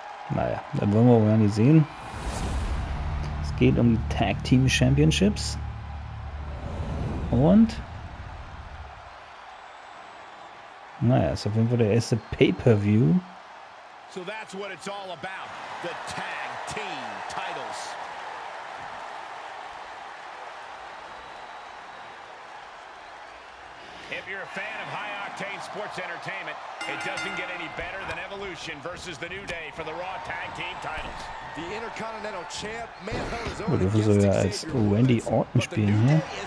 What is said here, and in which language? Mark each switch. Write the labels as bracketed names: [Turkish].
[German] Naja, dann wollen wir mal sehen. Es geht um die Tag Team Championships. Und... naja, ist auf jeden Fall der erste Pay-Per-View. [English] So that's what it's all about, the tag team titles. If you're a fan of high octane sports entertainment, it doesn't get any better than Evolution versus the New Day for the Raw tag team titles. The Intercontinental [German] Champ, man, wir dürfen sogar als Randy Orton spielen hier.